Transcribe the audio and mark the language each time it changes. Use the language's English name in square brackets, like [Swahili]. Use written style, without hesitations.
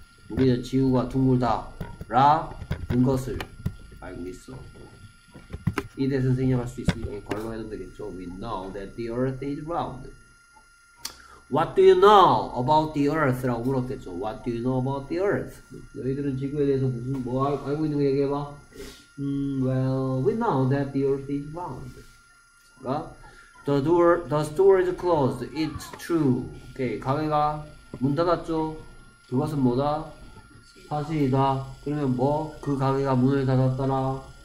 [Korean] 우리는 지구가 둥글다 라는 것을 알고 있어. 이 대신 생략할 수 있습니다. 걸로 해도 되겠죠. [English] We know that the earth is round. What do you know about the earth? [Korean] 라고 물었겠죠. [English] What do you know about the earth? [Korean] 너희들은 지구에 대해서 무슨 뭐 알고 있는 거 얘기해봐. [English] Well, we know that the earth is round. [Korean] 그러니까 [English] the store is closed. It's true. [Korean] 오케이, 가게가 문 닫았죠. 그것은 뭐다? 사실이다. 그러면 뭐? 그 가게가 문을 닫았더라.